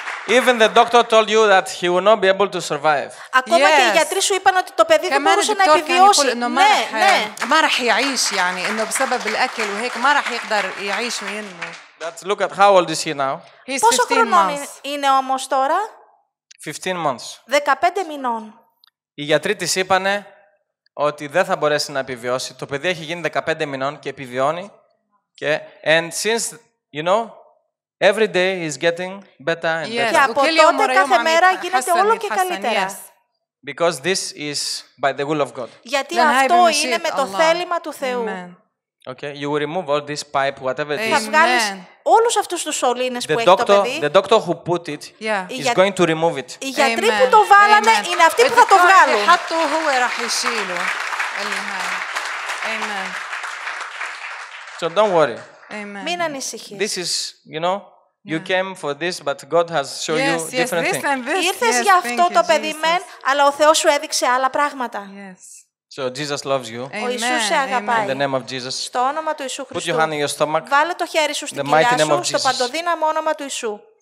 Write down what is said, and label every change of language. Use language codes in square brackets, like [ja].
[en] Even the doctor told you that he will not be able to survive. [el] Ακόμα και οι γιατροί σου είπαν ότι το παιδί δεν μπορούσε να επιβιώσει. Ναι, [ar] ما راح يعيش يعني انه بسبب الاكل وهيك ما راح يقدر يعيش منه. [en] That's look at how old is he now? He's 15 months. [el] Είναι όμως τώρα [en] 15 months. [el] 15 μηνών. Οι γιατροί της είπαν ότι δεν θα μπορέσει να επιβιώσει. Το παιδί έχει γίνει 15 μηνών και επιβιώνει. [en] Και and since you know every day is getting better and better. [el] Και από τότε κάθε μέρα γίνεται όλο και καλύτερα. [en] Because this is by the will of God. [el] Γιατί αυτό είναι με το θέλημα του Θεού. [en] Okay, you will remove all this pipe, whatever it is. [el] Θα βγάλεις όλους αυτούς τους σωλήνες που έχει το παιδί. [en] The doctor who put it is going to remove it. [el] Οι γιατροί που το βάλανε είναι αυτοί που θα το βγάλουν. [en] Amen. So don't worry. Amen. [el] Μην ανησυχείς. [en] This is, you know, you came for this, but God has shown you different things. [el] Ήρθες για αυτό το παιδί, μεν, αλλά ο Θεός σου έδειξε άλλα πράγματα. [en] Yes. So Jesus loves you. [el] Ο Ιησούς σε αγαπάει. [en] In the name of Jesus. [el] Στο όνομα του Ιησού Χριστού. [en] Put your hand in your stomach. [el] Βάλε το χέρι σου στην κοιλιά σου, στο παντοδύναμο όνομα του Ιησού.